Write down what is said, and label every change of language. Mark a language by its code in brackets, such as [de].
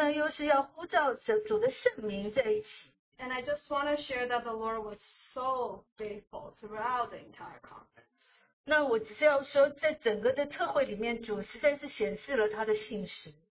[zh] 那正巧呢,这次的这个主题呢,又是要呼召主的圣名在一起。 [en] And I just want to share that the Lord was so faithful throughout the entire conference. [zh] 那我只是要说,在整个的特会里面,主实在是显示了他的信实。